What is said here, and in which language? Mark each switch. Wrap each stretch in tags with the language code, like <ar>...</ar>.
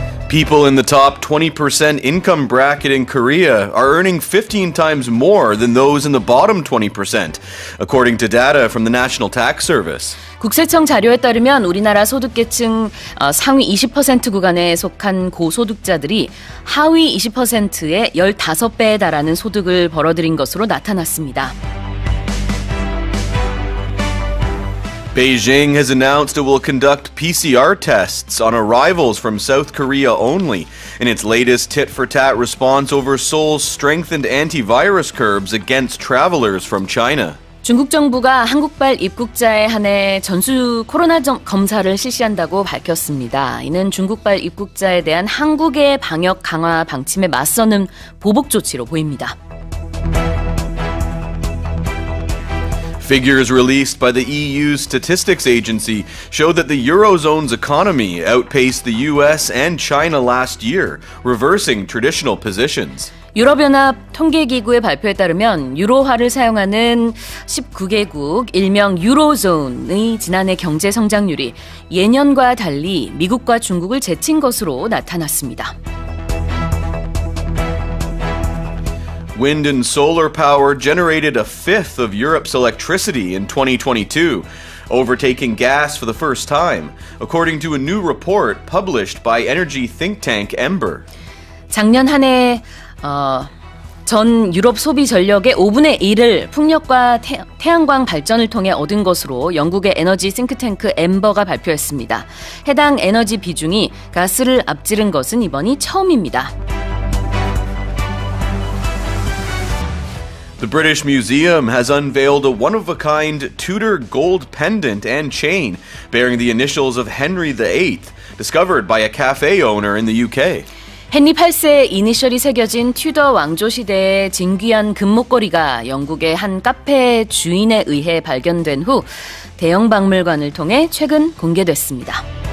<en>People in the top 20% income bracket in Korea are earning 15 times more than those in the bottom 20%, according to data from the National Tax Service.</en> <ko>국세청 자료에 따르면 우리나라 소득계층 상위 20% 구간에 속한 고소득자들이 하위 20%의 15배에 달하는 소득을 벌어들인 것으로 나타났습니다.</ko> <en>Beijing has announced it will conduct PCR tests on arrivals from South Korea only in its latest tit-for-tat response over Seoul's strengthened antivirus curbs against travelers from China.</en> <ko>중국 정부가 한국발 입국자에 한해 전수 코로나 검사를 실시한다고 밝혔습니다. 이는 중국발 입국자에 대한 한국의 방역 강화 방침에 맞서는 보복 조치로 보입니다.</ko> <en>Figures released by the EU's statistics agency show that the Eurozone's economy outpaced the US and China last year, reversing traditional positions.</en> <ko>유럽연합 통계기구의 발표에 따르면 유로화를 사용하는 19개국, 일명 유로존의 지난해 경제 성장률이 예년과 달리 미국과 중국을 제친 것으로 나타났습니다.</ko> <en>Wind and solar power generated a fifth of Europe's electricity in 2022, overtaking gas for the first time, according to a new report published by energy think tank Ember.</en> <ko>작년 한 해 전 유럽 소비 전력의 5분의 1을 풍력과 태양광 발전을 통해 얻은 것으로 영국의 에너지 싱크탱크 엠버가 발표했습니다. 해당 에너지 비중이 가스를 앞지른 것은 이번이 처음입니다.</ko> <en>The British Museum has unveiled a one-of-a-kind Tudor gold pendant and chain bearing the initials of Henry VIII, discovered by a cafe owner in the UK.</en> <ko>헨리 8세의 이니셜이 새겨진 튜더 왕조 시대의 진귀한 금목걸이가 영국의 한 카페 주인에 의해 발견된 후 대형 박물관을 통해 최근 공개됐습니다.</ko>